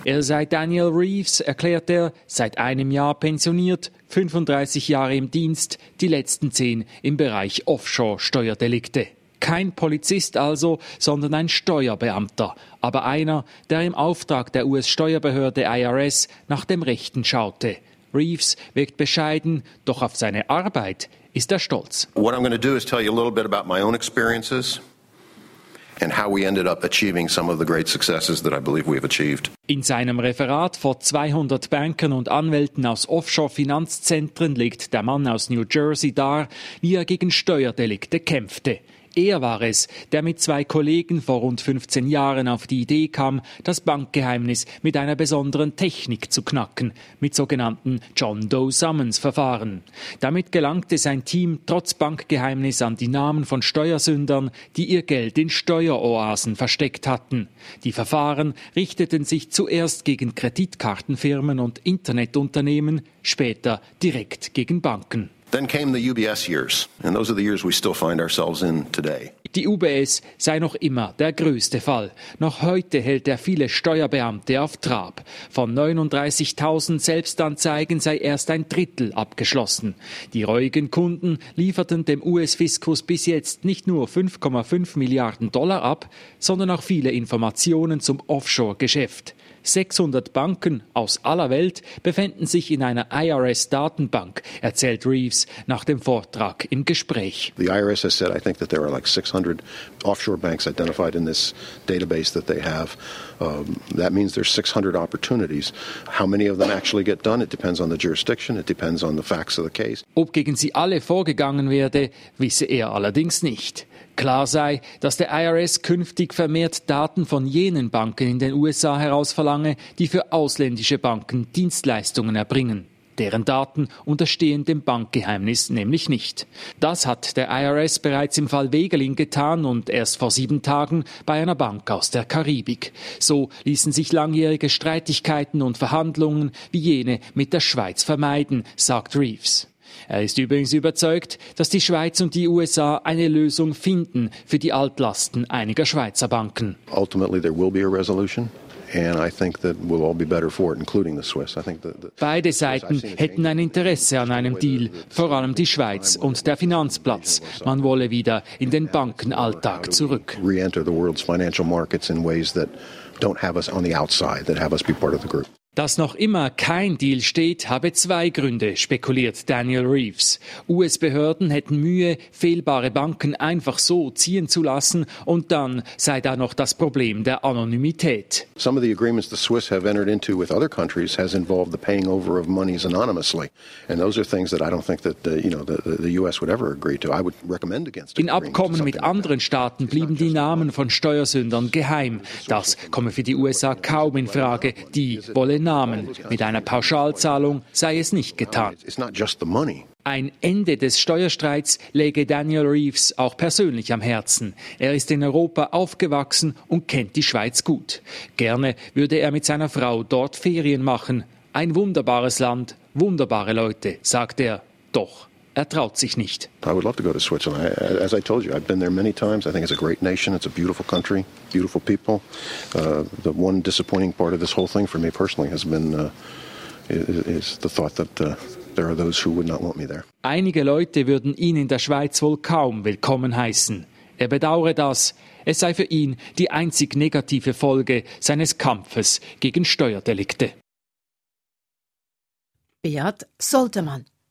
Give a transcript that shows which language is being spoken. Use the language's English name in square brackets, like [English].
[German] Er sei Daniel Reeves, erklärt er, seit einem Jahr pensioniert, 35 Jahre im Dienst, die letzten 10 im Bereich Offshore-Steuerdelikte. Kein Polizist also, sondern ein Steuerbeamter. Aber einer, der im Auftrag der US-Steuerbehörde IRS nach dem Rechten schaute. Reeves wirkt bescheiden, doch auf seine Arbeit ist er stolz. [English] What I'm going to do is tell you a little bit about my own experiences and how we ended up achieving some of the great successes that I believe we have achieved. [German] In seinem Referat vor 200 Bankern und Anwälten aus Offshore-Finanzzentren legt der Mann aus New Jersey dar, wie er gegen Steuerdelikte kämpfte. Er war es, der mit zwei Kollegen vor rund 15 Jahren auf die Idee kam, das Bankgeheimnis mit einer besonderen Technik zu knacken, mit sogenannten John Doe Summons-Verfahren. Damit gelangte sein Team trotz Bankgeheimnis an die Namen von Steuersündern, die ihr Geld in Steueroasen versteckt hatten. Die Verfahren richteten sich zuerst gegen Kreditkartenfirmen und Internetunternehmen, später direkt gegen Banken. [English] Then came the UBS years, and those are the years we still find ourselves in today. [German] Die UBS sei noch immer der größte Fall. Noch heute hält er viele Steuerbeamte auf Trab. Von 39.000 Selbstanzeigen sei erst ein Drittel abgeschlossen. Die reuigen Kunden lieferten dem US-Fiskus bis jetzt nicht nur 5,5 Milliarden Dollar ab, sondern auch viele Informationen zum Offshore-Geschäft. 600 Banken aus aller Welt befänden sich in einer IRS-Datenbank, erzählt Reeves nach dem Vortrag im Gespräch. [English] The IRS has said, I think that there are like 600 offshore banks identified in this database that they have. That means there's 600 opportunities. How many of them actually get done? It depends on the jurisdiction. It depends on the facts of the case. [German] Ob gegen sie alle vorgegangen werde, wisse er allerdings nicht. Klar sei, dass der IRS künftig vermehrt Daten von jenen Banken in den USA herausverlange, die für ausländische Banken Dienstleistungen erbringen. Deren Daten unterstehen dem Bankgeheimnis nämlich nicht. Das hat der IRS bereits im Fall Wegelin getan und erst vor 7 Tagen bei einer Bank aus der Karibik. So ließen sich langjährige Streitigkeiten und Verhandlungen wie jene mit der Schweiz vermeiden, sagt Reeves. Er ist übrigens überzeugt, dass die Schweiz und die USA eine Lösung finden für die Altlasten einiger Schweizer Banken. [English] Ultimately there will be a resolution. And I think that we'll all be better for it, including the Swiss. I think that [German] beide Seiten hätten ein Interesse an einem Deal, vor allem die Schweiz und der Finanzplatz. Man wolle wieder in den Bankenalltag zurück. [English] Re-enter the world's financial markets in ways that don't have us on the outside, that have us be part of the group. [German] Dass noch immer kein Deal steht, habe 2 Gründe, spekuliert Daniel Reeves. US-Behörden hätten Mühe, fehlbare Banken einfach so ziehen zu lassen, und dann sei da noch das Problem der Anonymität. [English] Some of the agreements the Swiss have entered into with other countries has involved the paying over of monies anonymously, and those are things that I don't think that the, you know, the US would ever agree to. I would recommend against. [German] In Abkommen mit anderen Staaten blieben die Namen von Steuersündern geheim. Das komme für die USA kaum in Frage. Die wollen Namen. Mit einer Pauschalzahlung sei es nicht getan. Ein Ende des Steuerstreits läge Daniel Reeves auch persönlich am Herzen. Er ist in Europa aufgewachsen und kennt die Schweiz gut. Gerne würde er mit seiner Frau dort Ferien machen. Ein wunderbares Land, wunderbare Leute, sagt er. Doch er traut sich nicht. [English] I would love to go to Switzerland. As I told you, I've been there many times. I think it's a great nation. It's a beautiful country, beautiful people. The one disappointing part of this whole thing for me personally has been is the thought that there are those who would not want me there. [German] Einige Leute würden ihn in der Schweiz wohl kaum willkommen heißen. Er bedauere das. Es sei für ihn die einzig negative Folge seines Kampfes gegen Steuerdelikte. Beat Soltermann.